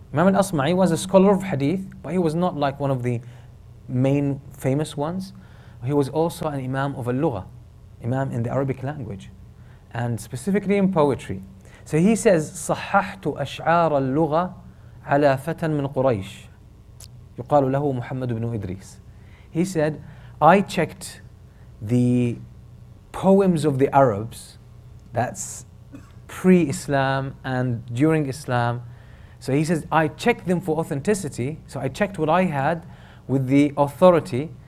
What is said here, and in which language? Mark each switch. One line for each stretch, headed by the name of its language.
English: Imam Al-Asma'i was a scholar of Hadith, but he was not like one of the main famous ones. He was also an Imam of Al-Lugha, Imam in the Arabic language, and specifically in poetry. So he says,
Arabic: صححت أشعار اللغة على فتى من قريش يقال له محمد بن إدريس.
English: He said, I checked the poems of the Arabs, that's pre-Islam and during Islam. So he says, I checked them for authenticity. So I checked what I had with the authority.